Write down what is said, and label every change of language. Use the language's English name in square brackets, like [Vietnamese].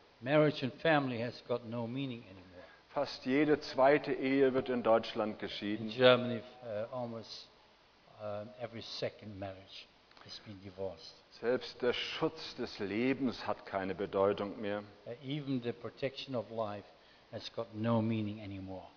[English] Marriage and family has got no meaning anymore. [German] Fast jede zweite Ehe wird in Deutschland geschieden. [English] In Germany, almost every second marriage has been divorced. [German] Selbst der Schutz des Lebens hat keine Bedeutung mehr. [English] Even the protection of life has got no meaning anymore.